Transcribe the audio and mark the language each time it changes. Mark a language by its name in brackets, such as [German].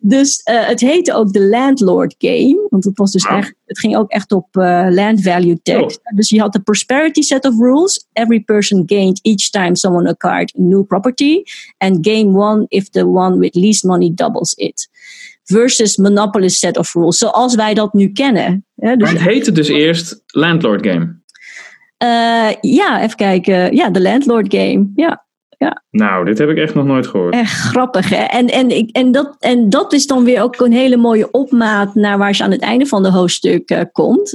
[Dutch] Dus het heette ook de Landlord Game. Want het was dus echt. Het ging ook echt op land value tax. Dus je had de [English] prosperity set of rules. Every person gained each time someone acquired new property. And game one if the one with least money doubles it. Versus monopolist set of rules. [Dutch] Zoals wij dat nu kennen. Ja, dus maar het heette dus eerst landlord game. Even kijken. Ja, de landlord game. Ja. Ja. Nou, dit heb ik echt nog nooit gehoord. Echt grappig, hè? En dat is dan weer ook een hele mooie opmaat naar waar ze aan het einde van de hoofdstuk komt.